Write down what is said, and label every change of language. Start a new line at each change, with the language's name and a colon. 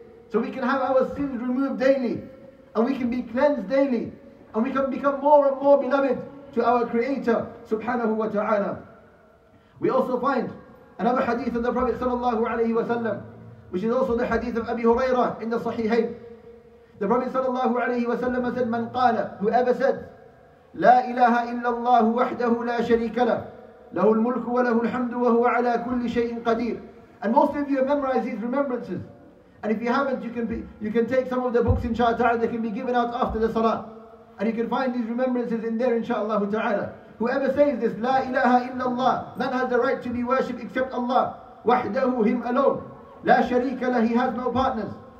English: So we can have our sins removed daily, and we can be cleansed daily, and we can become more and more beloved to our Creator, subhanahu wa ta'ala. We also find another hadith of the Prophet sallallahu alayhi wa sallam, which is also the hadith of Abi Hurairah in the Sahihain. The Prophet sallallahu alayhi wa sallam said,
Arabic: من قال,
English: whoever said,
Arabic: لا إله إلا الله وحده لا شريك له, له الملك وله الحمد وهو على كل شيء قدير.
English: And most of you have memorized these remembrances. And if you haven't, you can take some of the books, inshallah, that can be given out after the salah. And you can find these remembrances in there, inshallah ta'ala. Whoever says this, La ilaha illallah, none has the right to be worshipped except Allah. Wahdahu, him alone. La sharika lah, he has no partners.